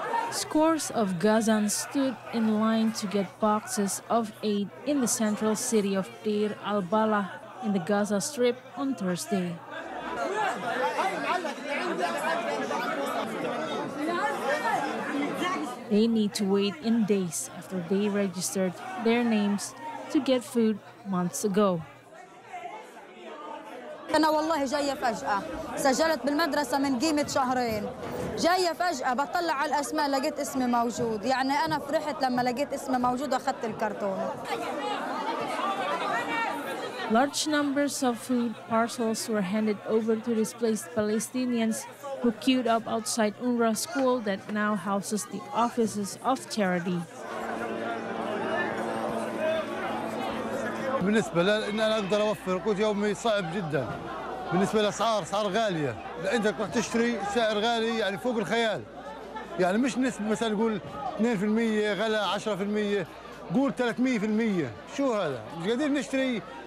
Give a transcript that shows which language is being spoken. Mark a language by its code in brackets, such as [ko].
[en] Scores of Gazans stood in line to get boxes of aid in the central city of Deir al-Balah in the Gaza Strip on Thursday. They need to wait in days after they registered their names to get food months ago. [ar] أنا والله جاية فجأة سجلت بالمدرسة من قيمة شهرين جاية فجأة بطلع على الأسماء لقيت اسمي موجود يعني أنا فرحت لما لقيت اسمي موجود أخذت الكرتون. [en] Large numbers of food parcels were handed over to displaced Palestinians who queued up outside UNRWA school that now houses the offices of charity. [ar] بالنسبة لأن أنا أقدر أوفر قوت يومي صعب جدا بالنسبة لأسعار صار غالية لأنت رح تشتري سعر غالي يعني فوق الخيال يعني مش نسبة مثلا نقول 2% غلا 10% قول 300% شو هذا مش قادر نشتري